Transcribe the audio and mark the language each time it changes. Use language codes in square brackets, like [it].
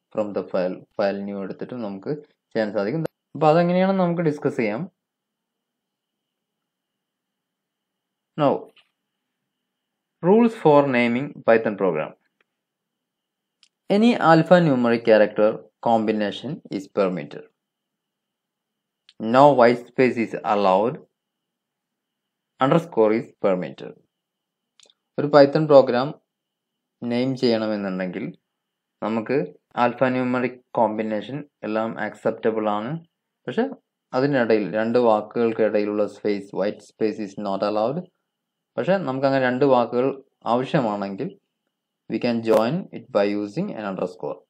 [ml] From the file, file new എടുത്തിട്ട് നമുക്ക് ചെയ്യാൻ സാധിക്കും. അപ്പോൾ അതെങ്ങനെയാണ് നമുക്ക് ഡിസ്കസ് ചെയ്യാം. [en] Now rules for naming Python program. Any alphanumeric character combination is permitted. No white space is allowed. Underscore is permitted. [ml] ഒരു പൈത്തൺ പ്രോഗ്രാം നെയിം ചെയ്യണമെന്നുണ്ടെങ്കിൽ നമുക്ക് ആൽഫാന്യൂമറിക് കോമ്പിനേഷൻ എല്ലാം അക്സെപ്റ്റബിൾ ആണ്. പക്ഷെ അതിനിടയിൽ, രണ്ട് വാക്കുകൾക്കിടയിലുള്ള space, white space is not allowed. പക്ഷെ നമുക്കങ്ങനെ രണ്ട് വാക്കുകൾ ആവശ്യമാണെങ്കിൽ we can join it by using N underscore.